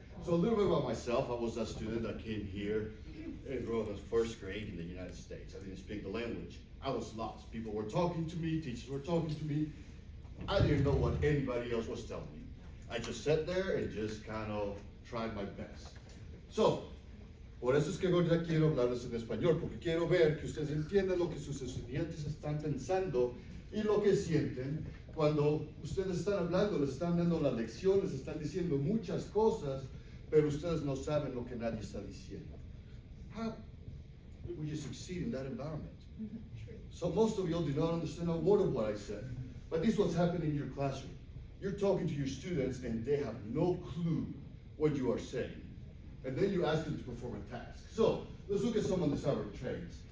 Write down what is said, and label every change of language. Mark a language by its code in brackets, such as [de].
[en] So a little bit about myself. I was a student that came here and grew up in first grade in the United States. I didn't speak the language. I was lost. People were talking to me, teachers were talking to me. I didn't know what anybody else was telling me. I just sat there and just kind of tried my best. [es] So, por eso es que ahora quiero hablarles en español, porque quiero ver que ustedes entiendan lo que sus estudiantes están pensando y lo que sienten cuando ustedes están hablando, les están dando las lecciones, están diciendo muchas cosas, pero ustedes no saben lo que nadie está diciendo. [en] How would you succeed in that environment? So most of you do not understand a word of what I said, but this is what's happening in your classroom. You're talking to your students and they have no clue what you are saying. And then you ask them to perform a task. So let's look at some of the cyber traits.